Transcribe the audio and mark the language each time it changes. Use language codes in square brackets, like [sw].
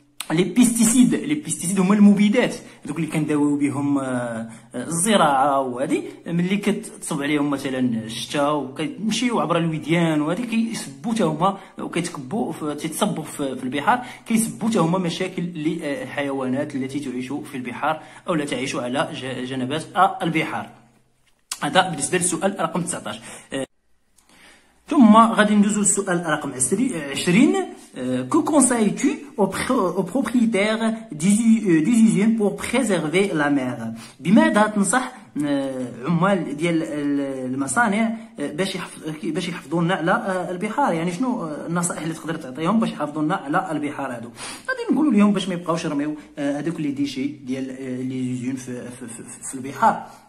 [ar] لي بيستيسيد، لي بيستيسيد هما المبيدات دوك اللي كنداويو بهم الزراعه، وهادي ملي كتصب عليهم مثلا الشتا وكيمشيو عبر الوديان وهادي كيسبو تاهما وكيتكبو تيتصبوا في البحار، كيسبو تاهما مشاكل للحيوانات التي تعيش في البحار او لا تعيش على جنبات البحار. هذا بالنسبه للسؤال رقم 19. ثم غادي ندوزو للسؤال رقم 20. [fr] Que conseilles-tu aux propriétaires des usines pour préserver la mer? [ar] بماذا تنصح عمال ديال المصانع باش يحفظوا لنا على البحار؟ يعني شنو النصائح اللي تقدر تعطيهم باش يحافظوا لنا على البحار هذو؟ غادي نقولوا لهم باش ما يبقاوش يرميو هذوك لي ديشي ديال لي زيون في البحار.